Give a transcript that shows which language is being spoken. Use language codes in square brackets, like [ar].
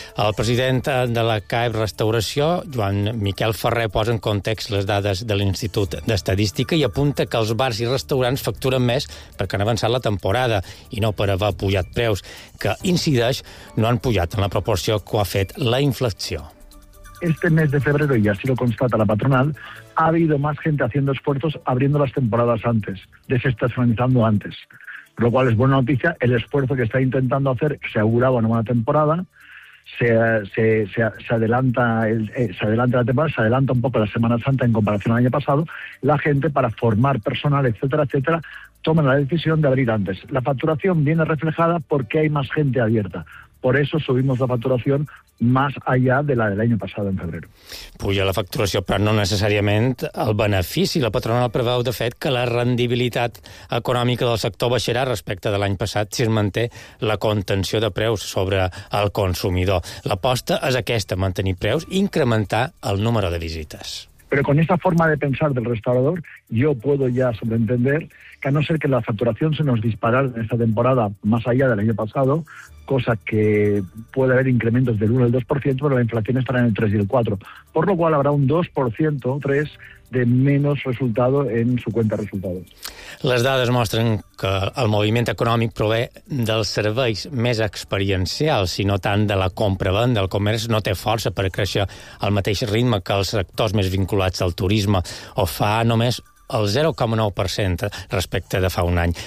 [ca] El president de la CAEB Restauració, Joan Miquel Ferrer, posa en context les dades de l'Institut d'Estadística i apunta que els bars i restaurants facturen més perquè han avançat la temporada i no per haver pujat preus, que incideix no han pujat en la proporció que ha fet la inflació. [es] Este mes de febrero, y así lo constata la patronal, ha habido más gente haciendo esfuerzos abriendo las temporadas antes, desestacionalizando antes. Lo cual es buena noticia, el esfuerzo que está intentando hacer se augura una buena temporada, se adelanta un poco la Semana Santa en comparación al año pasado, la gente para formar personal, etcétera, etcétera, toma la decisión de abrir antes. La facturación viene reflejada porque hay más gente abierta. Por eso subimos la facturación más allá de la del año pasado, en febrero. [ca] Puja la facturació, però no necessàriament el benefici. La patronal preveu, de fet, que la rendibilitat econòmica del sector baixarà respecte de l'any passat si es manté la contenció de preus sobre el consumidor. L'aposta és aquesta, mantenir preus i incrementar el número de visites. [es] Pero con esta forma de pensar del restaurador, yo puedo ya sobreentender que a no ser que la facturación se nos disparara en esta temporada más allá del año pasado, cosa que puede haber incrementos del 1 al 2%, pero la inflación estará en el 3 y el 4. Por lo cual habrá un 2% o 3% de menos resultado en su cuenta de resultados. [ca] Les dades mostren que el moviment econòmic prové dels serveis més experiencials, si no tant de la compra-venda. El comerç no té força per créixer al mateix ritme que els sectors més vinculats al turisme, o fa només el 0,9% respecte de fa un any.